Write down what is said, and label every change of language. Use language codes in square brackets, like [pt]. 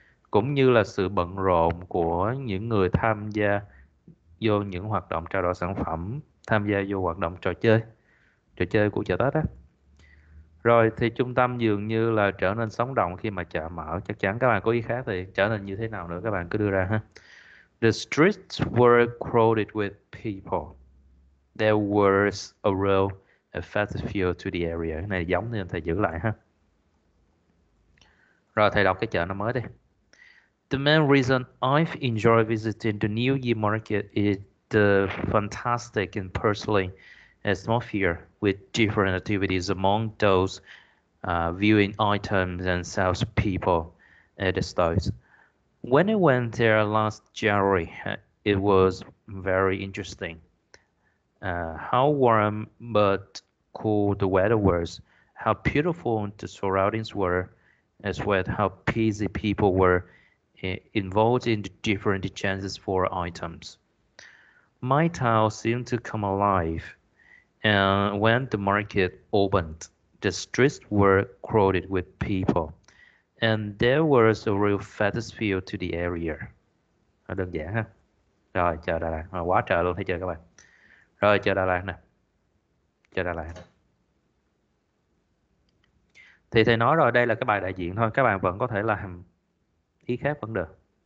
[vi] Cũng như là sự bận rộn của những người tham gia vô những hoạt động trao đổi sản phẩm, tham gia vô hoạt động trò chơi của chợ Tết á. Rồi thì trung tâm dường như là trở nên sống động khi mà chợ mở, chắc chắn các bạn có ý khác thì trở nên như thế nào nữa các bạn cứ đưa ra ha. [en] The streets were crowded with people. There was a real effective feel to the area. [vi] Cái này giống như thầy giữ lại ha. Rồi thầy đọc cái chợ nó mới đi. [en] The main reason I've enjoyed visiting the New Year Market is the fantastic and personal atmosphere with different activities among those viewing items and salespeople at the stalls. When I went there last January, it was very interesting. How warm but cool the weather was, how beautiful the surroundings were, as well as how busy people were involved in the different chances for items. My town seemed to come alive, and when the market opened, the streets were crowded with people, and there was a real festive feel to the area. [vi] Nó đơn giản ha. Rồi, chờ Đà Lạt. Rồi, quá trời luôn, thấy chưa các bạn? Rồi, chờ Đà Lạt nè. Chờ Đà Lạt. Thì thầy nói rồi, đây là cái bài đại diện thôi. Các bạn vẫn có thể làm ý khác vẫn được.